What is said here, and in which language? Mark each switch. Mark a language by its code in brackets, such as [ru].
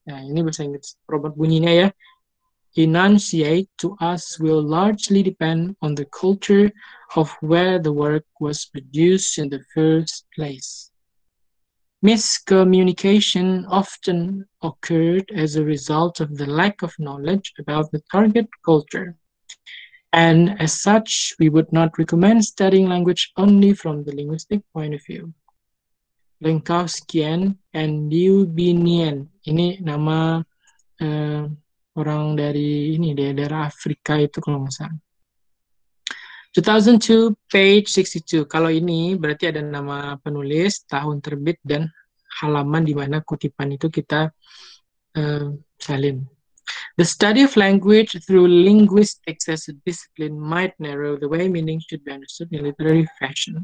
[id] Nah, ini bahasa Inggris, robot bunyinya ya. [en] Enunciate to us will largely depend on the culture of where the work was produced in the first place. Miscommunication often occurred as a result of the lack of knowledge about the target culture. And as such, we would not recommend studying language only from the linguistic point of view. [id] Lengkowskian and Liu Binian, ini nama orang dari ini dia dari Afrika itu kalau nggak salah. 2002 page 62. Kalau ini berarti ada nama penulis, tahun terbit dan halaman di mana kutipan itu kita salin. [en] The study of language through linguistics as a discipline might narrow the way meaning should be understood in literary fashion.